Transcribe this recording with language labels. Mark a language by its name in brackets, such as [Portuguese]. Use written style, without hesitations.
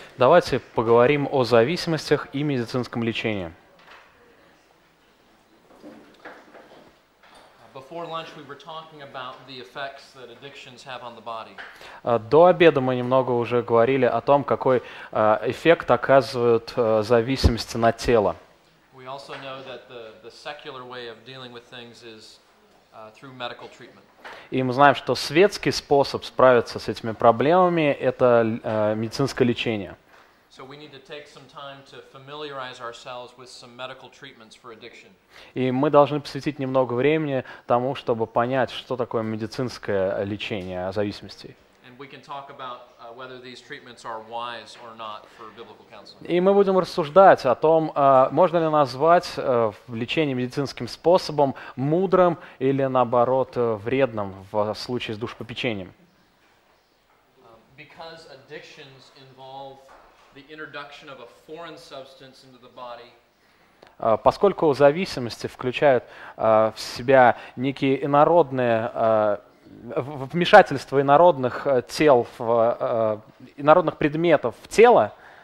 [Russian] Давайте поговорим о зависимостях и медицинском лечении. [English] Before lunch we were talking about the effects that addictions have on the body. [Russian] До обеда мы немного уже говорили о том, какой эффект оказывают зависимости на тело. [English] We also know that the secular way of dealing with things is through medical treatment. [Russian] И мы знаем, что светский способ справиться с этими проблемами – это медицинское лечение. [English] So we need to take some time to familiarize ourselves with some medical treatments for addiction. [Russian] И мы должны посвятить немного времени тому, чтобы понять, что такое медицинское лечение зависимости. [English] And we can talk about whether these treatments are wise or not for biblical counseling. [Russian] И мы будем рассуждать о том, можно ли назвать лечение медицинским способом мудрым или наоборот вредным в случае с душепопечением. [English] Because addictions involve the introduction of a foreign substance into the body. [Russian] Поскольку зависимости включают в себя некие инородные вмешательство инородных тел, инородных предметов в тело.